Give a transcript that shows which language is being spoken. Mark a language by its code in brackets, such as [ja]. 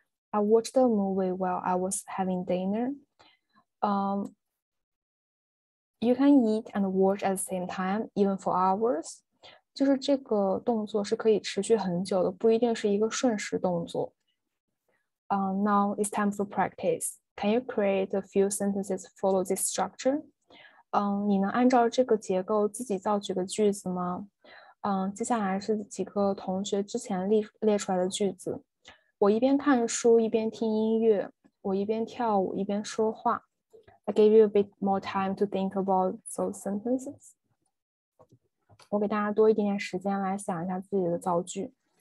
[en] I watched the movie while I was having dinner. You can eat and watch at the same time, even for hours. [zh] 就是这个动作是可以持续很久的，不一定是一个瞬时动作。 [en] Now it's time for practice. Can you create a few sentences follow this structure? [zh] 你能按照这个结构自己造几个句子吗？接下来是几个同学之前列出来的句子。我一边看书一边听音乐，我一边跳舞一边说话。 [en] I gave you a bit more time to think about those sentences. [zh] 我给大家多一点点时间来想一下自己的造句。